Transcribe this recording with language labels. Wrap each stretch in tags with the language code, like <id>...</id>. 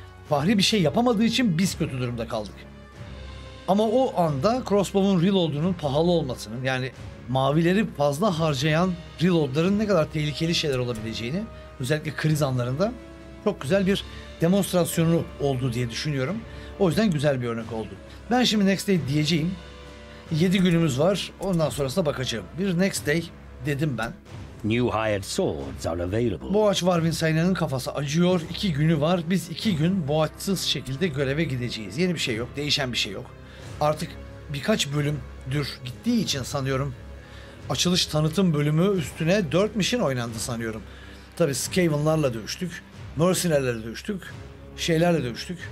<tr>Fahri bir şey yapamadığı için biz kötü durumda kaldık. Ama o anda crossbow'un reload'unun pahalı olmasının, yani mavileri fazla harcayan reload'ların ne kadar tehlikeli şeyler olabileceğini, özellikle kriz anlarında, çok güzel bir demonstrasyonu oldu diye düşünüyorum. O yüzden güzel bir örnek oldu. Ben şimdi next day diyeceğim. 7 günümüz var. Ondan sonrasına bakacağım. Bir next day dedim ben.</tr> <en>New hired swords are available.</en> <tr>Boğaç Varvin Sayna'nın kafası acıyor. 2 günü var. Biz 2 gün boğaçsız şekilde göreve gideceğiz. Yeni bir şey yok. Değişen bir şey yok. Artık birkaç bölümdür gittiği için sanıyorum. Açılış tanıtım bölümü üstüne 4 mission oynandı sanıyorum. Tabii Skaven'larla dövüştük. Mercenary'lerle dövüştük. Şeylerle dövüştük.</tr>